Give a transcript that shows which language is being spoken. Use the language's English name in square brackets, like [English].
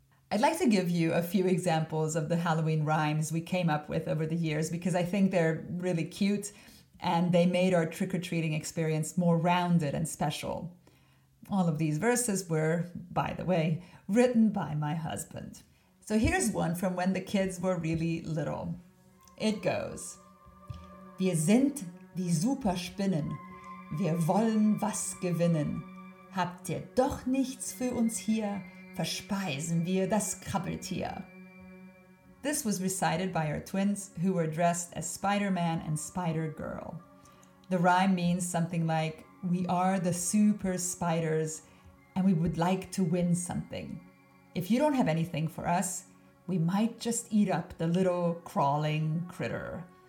[English] I'd like to give you a few examples of the Halloween rhymes we came up with over the years because I think they're really cute and they made our trick-or-treating experience more rounded and special. All of these verses were, by the way, written by my husband. So here's one from when the kids were really little. It goes, [German] Wir sind die Superspinnen. Wir wollen was gewinnen. Habt ihr doch nichts für uns hier? Verspeisen wir das Krabbeltier. [English] This was recited by our twins who were dressed as Spider-Man and Spider-Girl. The rhyme means something like, we are the super spiders and we would like to win something. If you don't have anything for us, we might just eat up the little crawling critter.